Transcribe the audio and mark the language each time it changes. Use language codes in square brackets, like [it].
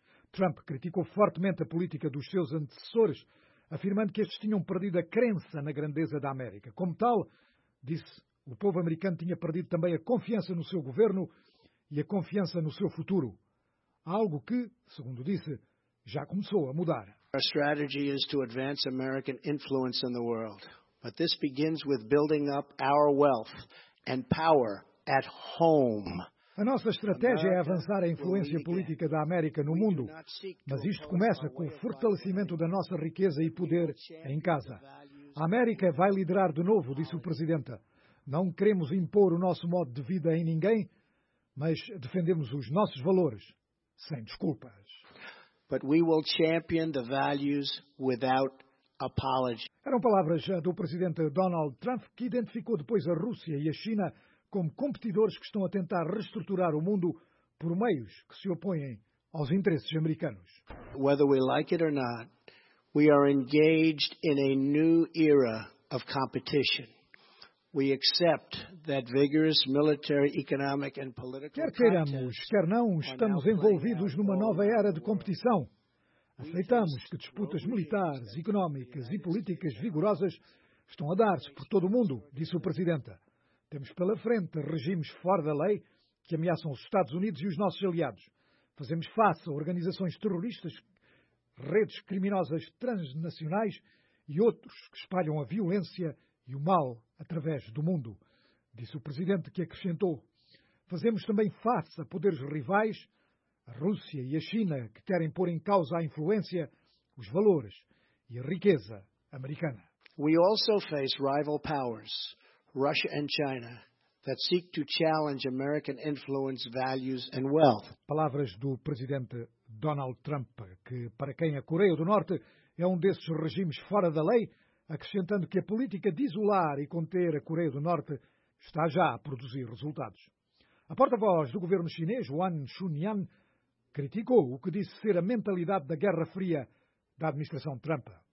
[pt] Trump criticou fortemente a política dos seus antecessores, afirmando que estes tinham perdido a crença na grandeza da América. Como tal, disse, o povo americano tinha perdido também a confiança no seu governo e a confiança no seu futuro. Algo que, segundo disse, já começou a mudar. A estratégia é para avançar a influência americana no mundo. Mas isso começa com [en] building up our wealth and power at home. [pt] A nossa estratégia é avançar a influência política da América no mundo. Mas isto começa com o fortalecimento da nossa riqueza e poder em casa. A América vai liderar de novo, disse o presidente. Não queremos impor o nosso modo de vida em ninguém, mas defendemos os nossos valores. Sem desculpas. [en] But we will champion the values without apology. [pt] Eram palavras do presidente Donald Trump, que identificou depois a Rússia e a China como competidores que estão a tentar reestruturar o mundo por meios que se opõem aos interesses americanos. [en] Whether we like it or not, we are engaged in a new era of competition. We accept that vigorous military, economic and political. [pt] Quer queiramos, quer não, estamos envolvidos numa nova era de competição. Aceitamos que disputas militares, económicas e políticas vigorosas estão a dar-se por todo o mundo, disse o presidente. Temos pela frente regimes fora da lei que ameaçam os Estados Unidos e os nossos aliados. Fazemos face a organizações terroristas, redes criminosas transnacionais e outros que espalham a violência e o mal através do mundo, disse o presidente, que acrescentou. Fazemos também face a poderes rivais, a Rússia e a China, que querem pôr em causa a influência, os valores e a riqueza americana. [en] We also face rival powers, Russia and China, that seek to challenge American influence, values and wealth. [pt] Palavras do presidente Donald Trump, que para quem a Coreia do Norte é um desses regimes fora da lei, acrescentando que a política de isolar e conter a Coreia do Norte está já a produzir resultados. A porta-voz do governo chinês, Wang Chunyan, criticou o que disse ser a mentalidade da Guerra Fria da administração Trump.